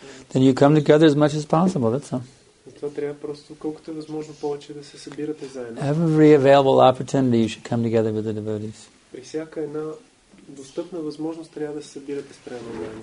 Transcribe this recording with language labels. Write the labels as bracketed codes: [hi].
[en] then you come together as much as possible, that's all. [bg] Това трябва просто колкото е възможно повече да се събирате заедно. [en] Every available opportunity you should come together with the devotees. [bg] При всяка една достъпна възможност трябва да се събирате спрямо заедно.